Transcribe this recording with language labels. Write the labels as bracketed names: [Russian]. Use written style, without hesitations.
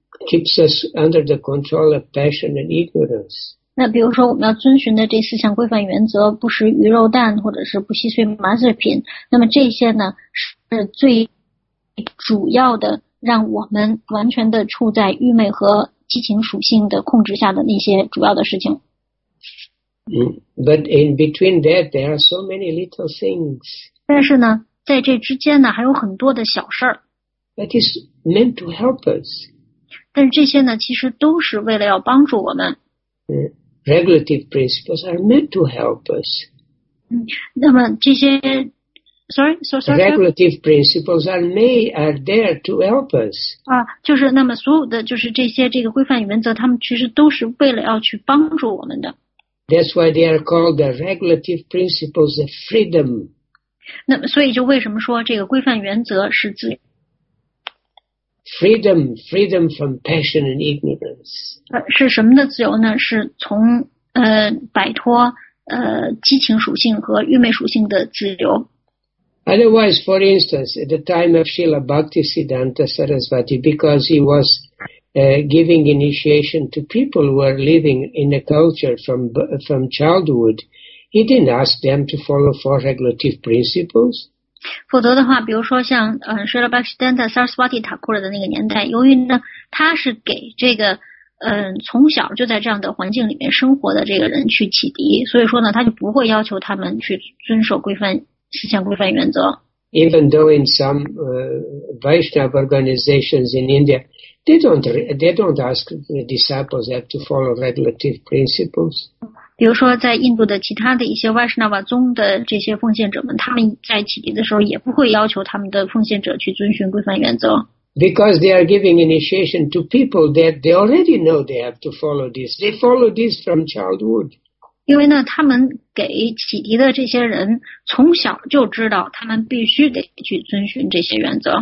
[English] Keeps us under the control of passion and ignorance. [Chinese] 那比如说我们要遵循的这四项规范原则，不食鱼肉蛋，或者是不吸碎麻制品，那么这些呢是最主要的，让我们完全的处在愚昧和激情属性的控制下的那些主要的事情。 [English] But in between that, there are so many little things. [Chinese] 但是呢，在这之间呢，还有很多的小事儿。 [English] That is meant to help us. [Chinese] 但这些呢，其实都是为了要帮助我们。 [English] Regulative principles are meant to help us. [Chinese] 那么这些 ， [English] sorry. Regulative principles are there to help us. [Chinese] 啊，就是那么所有的就是这些这个规范与原则，他们其实都是为了要去帮助我们的。 [English] That's why they are called the regulative principles of freedom. [Chinese] 那么所以就为什么说这个规范原则是自由？ [English] Freedom from passion and ignorance. [Chinese] 是什么的自由呢？是从摆脱激情属性和愚昧属性的自由。 [English] Otherwise, for instance, at the time of Srila Bhaktisiddhanta Sarasvati, because he was giving initiation to people who were living in a culture from childhood, he didn't ask them to follow four regulative principles. [Chinese] 否则的话，比如说像Srila Bhaktisiddhanta Saraswati Thakura的那个年代，由于呢他是给这个从小就在这样的环境里面生活的这个人去启迪，所以说呢他就不会要求他们去遵守规范思想规范原则。 [English] Even though in some Vaishnava organizations in India, they don't ask the disciples have to follow regulative principles. [Chinese] 比如说在印度的其他的一些 Vaishnava 宗的这些奉献者们，他们在启迪的时候也不会要求他们的奉献者去遵循规范原则。 [English] Because they are giving initiation to people that they already know they have to follow this. They follow this from childhood. [Chinese] 因为呢，他们给启迪的这些人从小就知道他们必须得去遵循这些原则。